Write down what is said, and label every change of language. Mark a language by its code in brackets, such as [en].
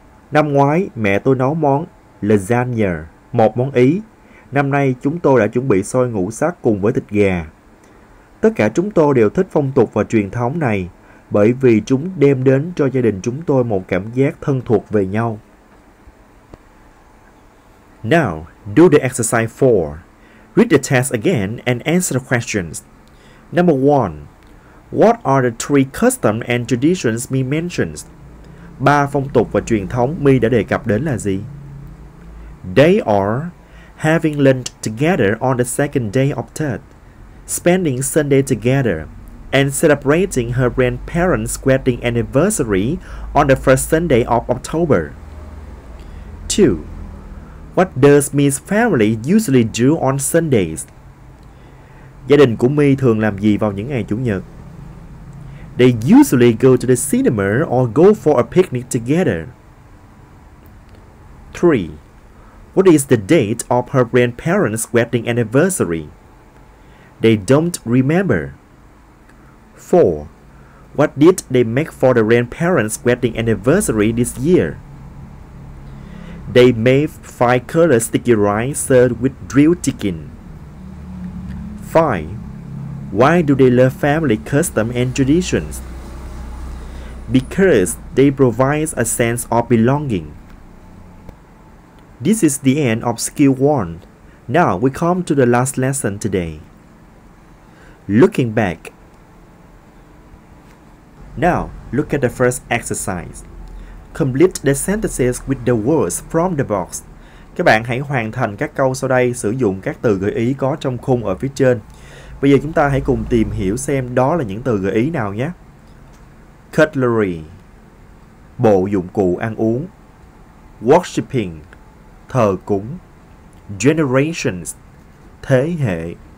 [vi] Năm ngoái, mẹ tôi nấu món lasagna, một món Ý. Năm nay, chúng tôi đã chuẩn bị xôi ngũ sắc cùng với thịt gà. Tất cả chúng tôi đều thích phong tục và truyền thống này bởi vì chúng đem đến cho gia đình chúng tôi một cảm giác thân thuộc về nhau. [en] Now, do the exercise 4. Read the test again and answer the questions. Number 1. What are the 3 customs and traditions Mi mentions? [vi] 3 phong tục và truyền thống Mi đã đề cập đến là gì? [en] They are having lunch together on the second day of Tết, spending Sunday together, and celebrating her grandparents' wedding anniversary on the first Sunday of October. 2. What does Mi's family usually do on Sundays? [vi] Gia đình của Mi thường làm gì vào những ngày Chủ nhật? [en] They usually go to the cinema or go for a picnic together. 3. What is the date of her grandparents' wedding anniversary? They don't remember. 4. What did they make for the grandparents' wedding anniversary this year? They made 5-color sticky rice served with grilled chicken. 5. Why do they love family customs and traditions? Because they provide a sense of belonging. This is the end of skill 1. Now we come to the last lesson today. Looking back. Now, look at the first exercise. Complete the sentences with the words from the box. [vi] Các bạn hãy hoàn thành các câu sau đây sử dụng các từ gợi ý có trong khung ở phía trên. Bây giờ chúng ta hãy cùng tìm hiểu xem đó là những từ gợi ý nào nhé. Cutlery, bộ dụng cụ ăn uống. Worshipping, thờ cúng. Generations, thế hệ.